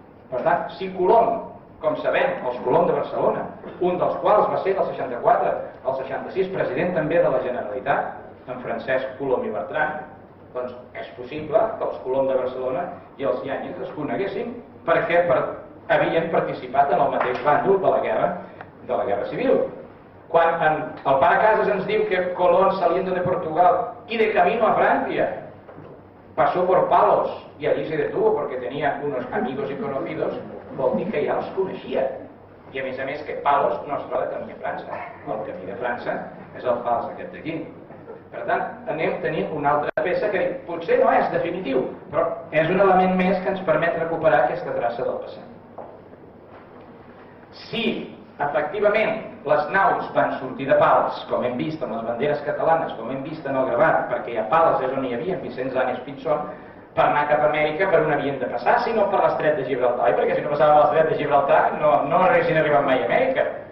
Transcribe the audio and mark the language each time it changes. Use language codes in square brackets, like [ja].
[ca] Per tant, si Colom, com sabem, els Colom de Barcelona, un dels quals va ser del 64, el 66, president també de la Generalitat, en Francesc Colom i Bertran, doncs és possible que els Colom de Barcelona i els Yanyes es coneguessin perquè havien participat en el mateix bàndol de la Guerra Civil. Quan el pare Casas ens diu que [es] Colón saliendo de Portugal y de camino a Francia pasó por Palos y allí se detuvo porque tenía unos amigos y conocidos, [ca] vol dir que ja els coneixia. I a més que Palos no es troba camí a França. El camí de França és el fals aquest d'aquí. Per tant, anem a tenir una altra peça que potser no és definitiu, però és un element més que ens permet recuperar aquesta traça del passat. Sí, efectivament, les naus van sortir de Pals, com hem vist amb les banderes catalanes, com hem vist en el gravat, perquè a Pals és on hi havia Vicenç Anes Pinzón, per anar cap a Amèrica, per on havien de passar, sinó per l'estret de Gibraltar. I perquè si no passava per l'estret de Gibraltar, no haguessin arribat mai a Amèrica.